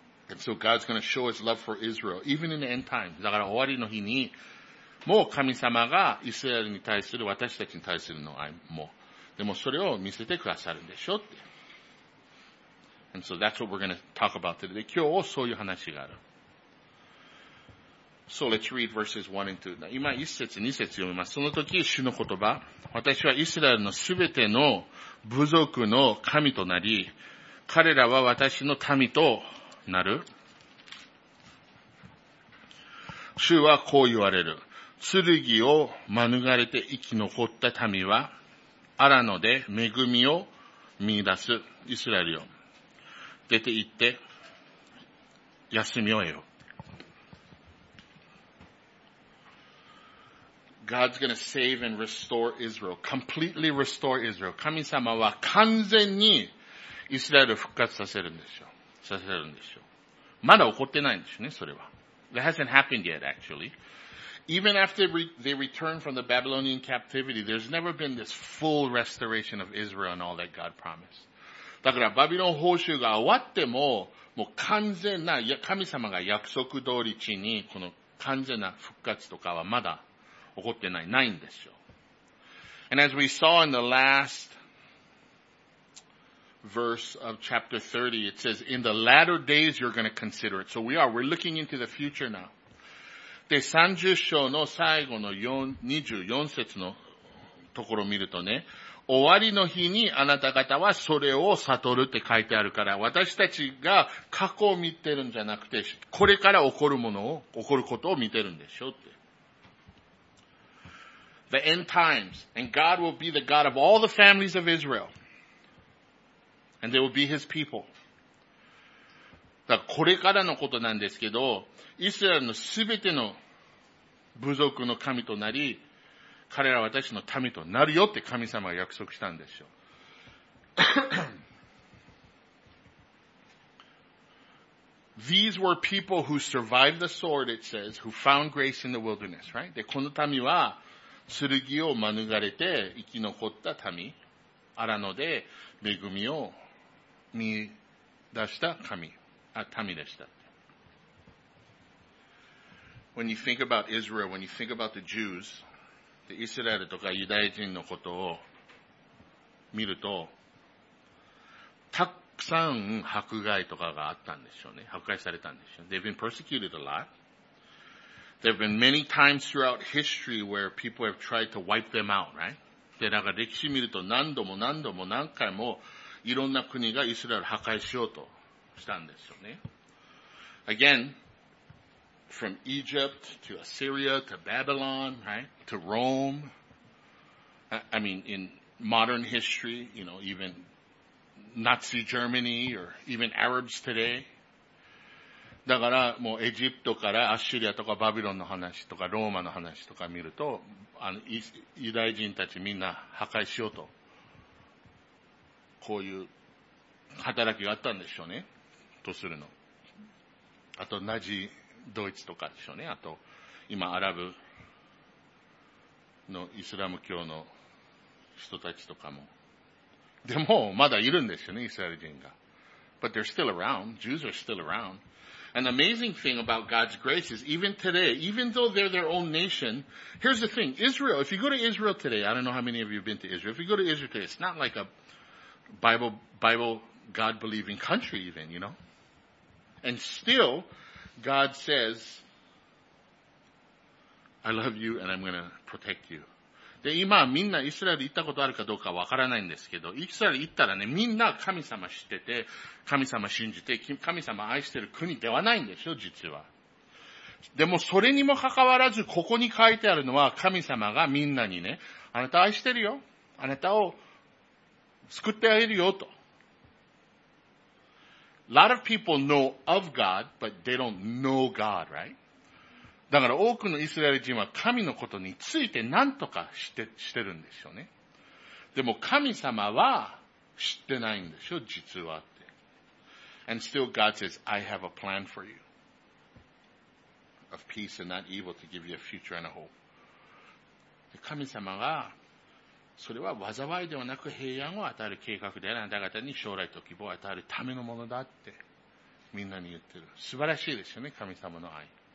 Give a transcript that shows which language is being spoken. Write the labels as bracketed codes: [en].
[en] And so God's going to show his love for Israel, even in the end times. [ja] だから、終わりの日に、もう神様がイスラエルに対する私たちに対するの愛も。でもそれを見せてくださるんでしょって。 [en] And so that's what we're going to talk about today. [ja] で今日そういう話がある。 [en] So let's read verses 1 and 2. [ja] 今1節2節読みます。その時主の言葉、私はイスラエルのすべての部族の神となり、彼らは私の民となる。主はこう言われる。剣を免れて生き残った民は、アラノで恵みを見出すイスラエルよ。出て行って、休みを得よ。 [en] God's gonna save and restore Israel. Completely restore Israel. [ja] 神様は完全にイスラエルを復活させるんですよ。させるんですよ。まだ起こってないんですね、それは。 [en] That hasn't happened yet, actually. Even after they return from the Babylonian captivity, there's never been this full restoration of Israel and all that God promised. [ja] だからバビロン捕囚が終わっても、もう完全な、神様が約束通り地に、この完全な復活とかはまだ起こってない、ないんですよ。 [en] And as we saw in the last verse of chapter 30, it says, in the latter days you're going to consider it. So we are, we're looking into the future now. [ja] で、30章の最後の24節のところを見るとね、終わりの日にあなた方はそれを悟るって書いてあるから、私たちが過去を見てるんじゃなくて、これから起こるものを、起こることを見てるんでしょうって。 [en] The end times, and God will be the God of all the families of Israel, and they will be his people. [ja] だからこれからのことなんですけど、イスラエルのすべての部族の神となり、彼らは私の民となるよって神様が約束したんですよ。 [en] These were people who survived the sword, it says, who found grace in the wilderness, right? [ja] で、この民は、剣を免れて生き残った民、アラノで恵みを見出した神。民でした。 [en] When you think about Israel, when you think about the Jews, the [ja] イスラエルとかユダヤ人のことを見ると、たくさん迫害とかがあったんですよね。迫害されたんですよ。 [en] They've been persecuted a lot. There have been many times throughout history where people have tried to wipe them out, right? [ja] で、なんか歴史見ると何度も何度も何回もいろんな国がイスラエル破壊しようとしたんですよね。 [en] Again,From Egypt to Assyria to Babylon, right? To Rome. I mean, in modern history, you know, even Nazi Germany or even Arabs today. [ja] だからもうエジプトからアッシリアとかバビロンの話とかローマの話とか見ると、あの、ユダヤ人たちみんな破壊しようと、こういう働きがあったんでしょうね。とするの。あと、ナジ、ドイツとかでしょうね。あと、今、アラブのイスラム教の人たちとかも。でも、まだいるんですよね、イスラエル人が。 [en] But they're still around. Jews are still around. An amazing thing about God's grace is even today, even though they're their own nation, here's the thing. Israel, if you go to Israel today, I don't know how many of you have been to Israel. If you go to Israel today, it's not like a Bible, God-believing country even, you know? And still,God says, I love you and I'm going to protect you. [ja] で、今みんなイスラエル行ったことあるかどうかわからないんですけど、イスラエル行ったらね、みんな神様知ってて、神様信じて、神様愛してる国ではないんでしょ、実は。でもそれにもかかわらず、ここに書いてあるのは神様がみんなにね、あなた愛してるよ。あなたを救ってあげるよ、と。 [en] A lot of people know of God, but they don't know God, right? [ja] だから多くのイスラエル人は神のことについて何とかしてるんですよね。でも神様は知ってないんでしょ、実はって。 [en] And still God says, I have a plan for you. Of peace and not evil to give you a future and a hope. [ja] で神様が、それは災いではなく平安を与える計画であなた方に将来と希望を与えるためのものだってみんなに言ってる。素晴らしいですよね、神様の愛。